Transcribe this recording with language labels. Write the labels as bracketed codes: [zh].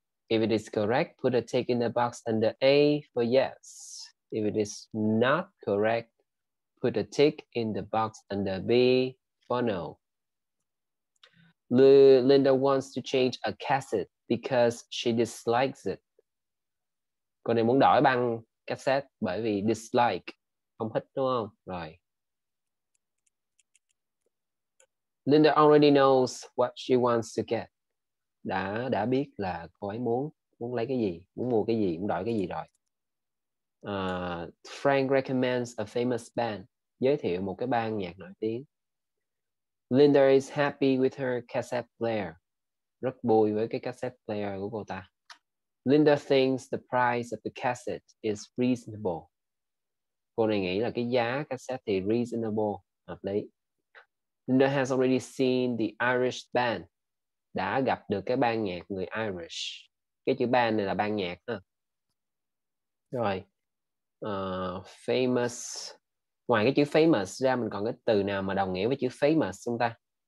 [en] If it is correct, put a tick in the box under A for yes. If it is not correct, put a tick in the box under B for no. Linda wants to change a cassette because she dislikes it. [vi] Cô này muốn đổi băng cassette bởi vì dislike. Không thích đúng không? Rồi. [en] Linda already knows what she wants to get. [vi] Đã biết là cô ấy muốn lấy cái gì, muốn mua cái gì, muốn đổi cái gì rồi. [en] Frank recommends a famous band. [vi] Giới thiệu một cái ban nhạc nổi tiếng. [en] Linda is happy with her cassette player. [vi] Rất vui với cái cassette player của cô ta. [en] Linda thinks the price of the cassette is reasonable. [vi] Cô này nghĩ là cái giá cassette thì reasonable, hợp lý. [en] Linda has already seen the Irish band. [vi] Đã gặp được cái ban nhạc người Irish. Cái chữ band này là ban nhạc ha. Rồi. Famous. Ngoài cái chữ famous ra mình còn cái từ nào mà đồng nghĩa với chữ famous không ta?